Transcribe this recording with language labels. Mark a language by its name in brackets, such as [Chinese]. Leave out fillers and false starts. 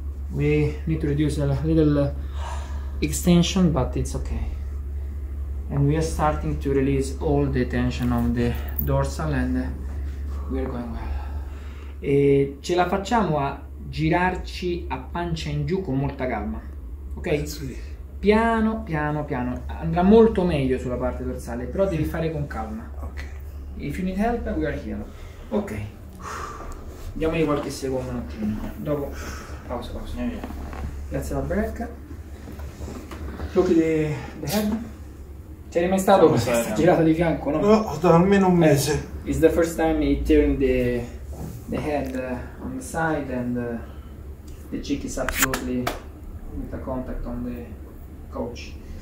[English] We need to reduce a little extension, but it's okay. And we are starting to release all the tension of the dorsal and we are going well. [Italian] E ce la facciamo a girarci a pancia in giù con molta calma, ok? Piano piano piano, andrà molto meglio sulla parte dorsale, però devi fare con calma. Ok, [English] if you need help we are here. [Italian] Ok, diamogli qualche secondo, un attimo dopo pausa. [English] Yeah, yeah. [Italian] Grazie la [English] break. Look at the head. [Italian] Ci sei mai stato con questa girata di fianco? No, da almeno un mese. [English] It's the first time he turned the head on the side and the cheek is absolutely with a contact on the couch.